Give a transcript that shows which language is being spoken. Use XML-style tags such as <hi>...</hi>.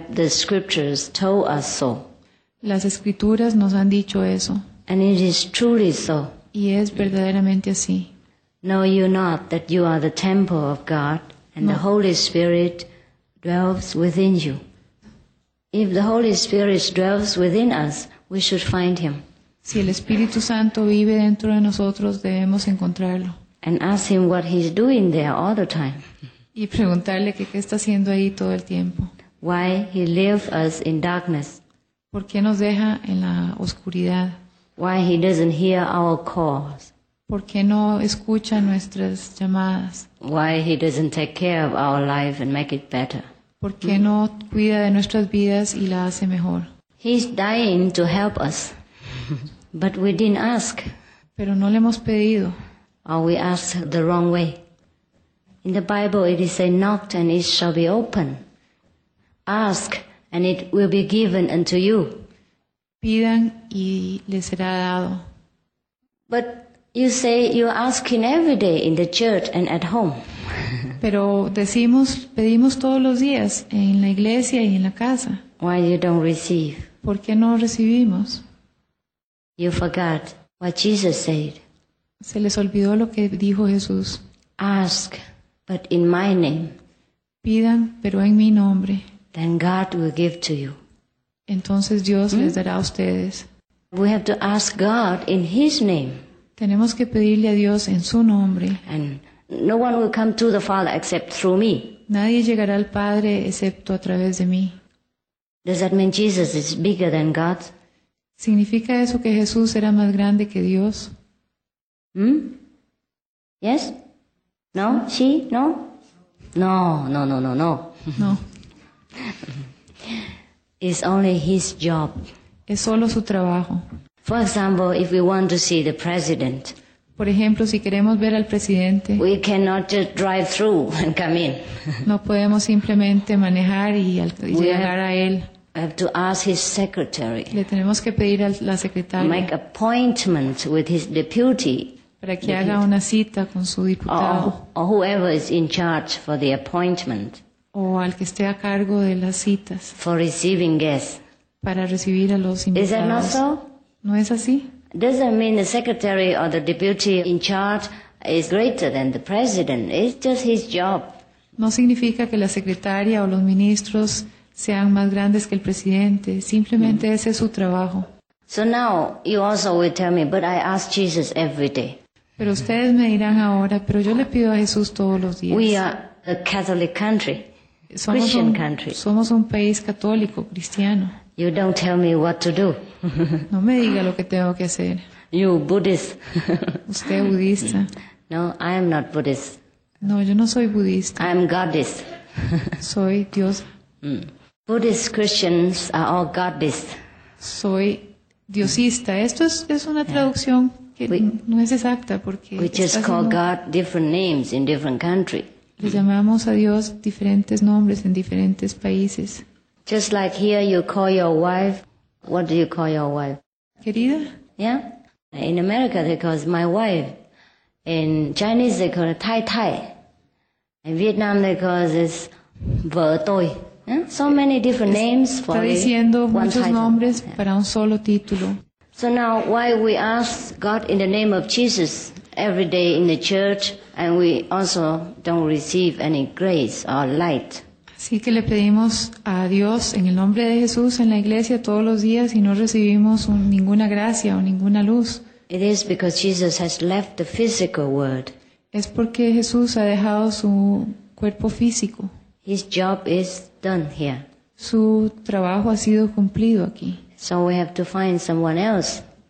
<en>The scriptures told us so.</en> <es>Las escrituras nos han dicho eso.</es> <en>And it is truly so.</en> <es>Y es verdaderamente así.</es> <en>Know you not that you are the temple of God and the Holy Spirit dwells within you. If the Holy Spirit dwells within us, we should find him.</en> <es>Si el Espíritu Santo vive dentro de nosotros, debemos encontrarlo.</es> <en>And ask him what he's doing there all the time.</en> <es>Y preguntarle qué está haciendo ahí todo el tiempo.</es> <en>Why he leaves us in darkness.</en> <es>¿Por qué nos deja en la oscuridad?</es> <en>Why he doesn't hear our calls.</en> <es>¿Por qué no escucha nuestras llamadas?</es> <en>Why he doesn't take care of our life and make it better.</en> <es>¿Por qué no cuida de nuestras vidas y la hace mejor?</es> <en>He's dying to help us. But we didn't ask.</en> <es>Pero no le hemos pedido.</es> <en>Or we asked the wrong way. In the Bible it is said, knock and it shall be open. Ask and it will be given unto you.</en> <es>Pidan y les será dado.</es> <en>But you say you're asking every day in the church and at home.</en> <es>Pero decimos, pedimos todos los días en la iglesia y en la casa.</es> <en>Why you don't receive?</en> <es>¿Por qué no recibimos?</es> <en>You forgot what Jesus said.</en> <es>Se les olvidó lo que dijo Jesús.</es> <en>Ask, but in my name.</en> <es>Pidan, pero en mi nombre.</es> <en>Then God will give to you.</en> <es>Entonces Dios les dará a ustedes.</es> <en>We have to ask God in his name.</en> <es>Tenemos que pedirle a Dios en su nombre.</es> <en>And no one will come to the Father except through me.</en> <es>Nadie llegará al Padre excepto a través de mí.</es> <en>Does that mean Jesus is bigger than God?</en> <es>¿Significa eso que Jesús era más grande que Dios?</es> <en>¿Mm? Yes? No? Sí? No? No, no, no, no, no. No. It's only his job.</en> <es>Es solo su trabajo.</es> <en>For example, if we want to see the president.</en> <es>Por ejemplo, si queremos ver al presidente.</es> <en>We cannot just drive through and come in.</en> <es>No podemos simplemente manejar y llegar a él.</es> <en>I have to ask his secretary.</en> <es>Le tenemos que pedir a la secretaria.</es> <en>Make appointment with his deputy.</en> <es>Para que haga una cita con su diputado.</es> <en>Or whoever is in charge for the appointment.</en> <es>O al que esté a cargo de las citas.</es> <en>For receiving guests.</en> <es>Para recibir a los invitados.</es> <en>Is that not so?</en> <es>¿No es así?</es> <en>Doesn't mean the secretary or the deputy in charge is greater than the president. It's just his job.</en> <es>No significa que la secretaria o los ministros sean más grandes que el presidente. Simplemente ese es su trabajo.</es> <en>So now you also will tell me, but I ask Jesus every day.</en> <es>Pero ustedes me dirán ahora, pero yo le pido a Jesús todos los días.</es> <en>We are a Catholic country, Christian country.</en> <es>Somos un país católico, cristiano.</es> <en>You don't tell me what to do.</en> <es>No me diga lo que tengo que hacer.</es> <en>You Buddhist.</en> <es>Usted budista.</es> <en>No, I am not Buddhist.</en> <es>No, yo no soy budista.</es> <en>I am goddess.</en> <es>Soy Dios.</es> <en>Buddhist Christians are all goddess.</en> <es>Soy diosista. Esto es una traducción que no es exacta porque</es> <en>we just call God different names in different country.</en> <es>Le llamamos a Dios diferentes nombres en diferentes países.</es> <en>Just like here you call your wife, what do you call your wife?</en> <es>Querida.</es> <en>Yeah. In America they call it my wife. In Chinese they call it</en> <zh>tai tai.</zh> <en>In Vietnam they call it</en> <vi>vợ tôi.</vi> <en>So many different names for</en> <es>está diciendo muchos nombres para un solo título.</es> <en>So now why we ask God in the name of Jesus every day in the church and we also don't receive any grace or light?</en> <es>Así que le pedimos a Dios en el nombre de Jesús en la iglesia todos los días y no recibimos ninguna gracia o ninguna luz.</es> <en>It is because Jesus has left the physical world.</en> <es>Es porque Jesús ha dejado su cuerpo físico.</es> <en>His job is done here.</en> <es>Su trabajo ha sido cumplido aquí.</es> <en>So we have to find someone else.</en>